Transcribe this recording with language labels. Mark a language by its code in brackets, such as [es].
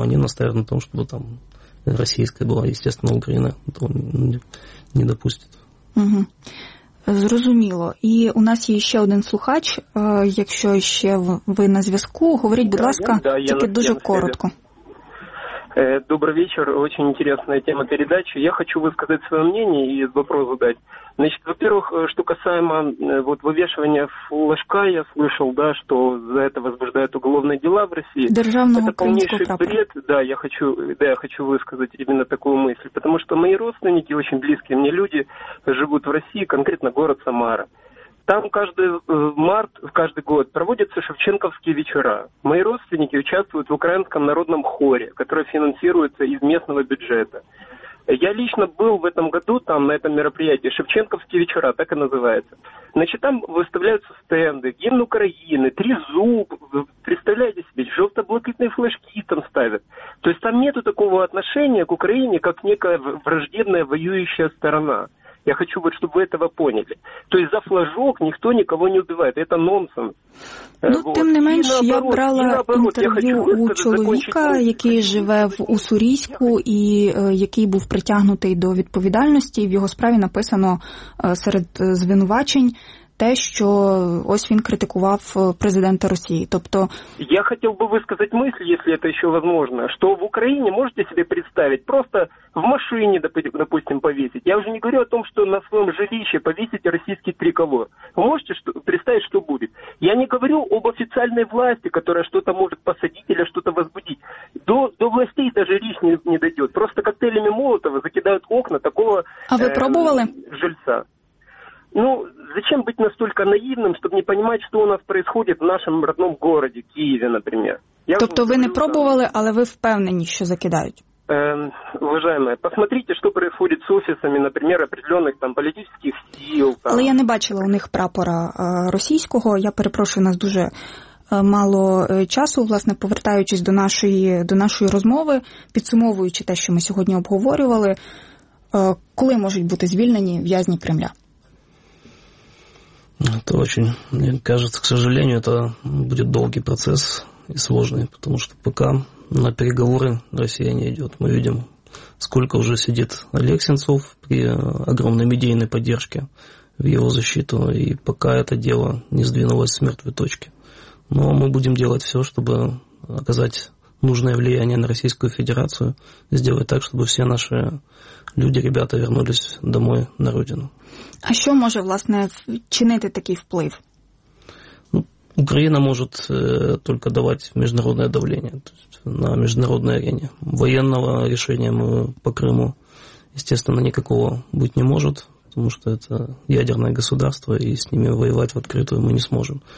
[ru] Они настаивают на том, чтобы там российская была, естественно, Украина этого не допустит. [uk] Угу. Зрозуміло. І у нас є ще один слухач, якщо ще ви на зв'язку, говоріть, будь ласка, тільки дуже коротко. [ru] Добрый вечер. Очень интересная тема передачи. Я хочу высказать свое мнение и вопрос задать. Значит, во-первых, что касаемо вот вывешивания флажка, я слышал, да, что за это возбуждают уголовные дела в России. [uk] Державного [ru] это полнейший бред. Да, я хочу высказать именно такую мысль. Потому что мои родственники, очень близкие мне люди, живут в России, конкретно город Самара. Там каждый год проводятся шевченковские вечера. Мои родственники участвуют в украинском народном хоре, который финансируется из местного бюджета. Я лично был в этом году там, на этом мероприятии, шевченковские вечера, так и называется. Значит, там выставляются стенды, гимн Украины, «Тризуб», представляете себе, желто-блакитные флажки там ставят. То есть там нету такого отношения к Украине, как некая враждебная воюющая сторона. Я хочу, вот, чтобы вы этого поняли. То есть за флажок никто никого не убивает. Это нонсенс. Ну, вот. [uk] Тим не менше, я брала інтерв'ю у чоловіка, який живе в Уссурійську і який був притягнутий до відповідальності. В його справі написано серед звинувачень те, що ось він критикував президента Росії. Тобто я хотів би висказати мисль, якщо це ще можливо, що в Україні можете собі представити просто в машині, допустим, повісити. Я вже не говорю [ru] о том, [uk] що на своєму жилищі повісити російський триколор. Ви можете представити, що буде? Я не говорю об офіційній владі, яка щось може посадити або щось визбудити. До властей навіть річ не дійде. Просто коктейлями Молотова закидають окна такого а ви пробували? Жильця. [ru] Ну, зачем быть настолько наивным, чтобы не понимать, что у нас происходит в нашем родном городе, Киеве, например? [uk] Тобто ви не пробували, але ви впевнені, що закидають? [ru] Уважаемая, посмотрите, что происходит с офисами, например, определенных там политических сил. Там. [uk] Але я не бачила у них прапора російського. Я перепрошую, у нас дуже мало часу, власне, повертаючись до нашої розмови, підсумовуючи те, що ми сьогодні обговорювали, коли можуть бути звільнені в'язні Кремля? [ru] Это очень, мне кажется, к сожалению, это будет долгий процесс и сложный, потому что пока на переговоры Россия не идет. Мы видим, сколько уже сидит Олег Сенцов при огромной медийной поддержке в его защиту, и пока это дело не сдвинулось с мертвой точки. Но мы будем делать все, чтобы оказать нужное влияние на Российскую Федерацию, сделать так, чтобы все наши люди, ребята, вернулись домой на родину. [uk] А що може, власне, чинити такий вплив? Ну, Україна може тільки давати міжнародне давлення на міжнародній арені. Воєнного рішення ми по Криму, звісно, ніякого бути не може, тому що це ядерне государство, і з ними воювати в відкриту ми не зможемо.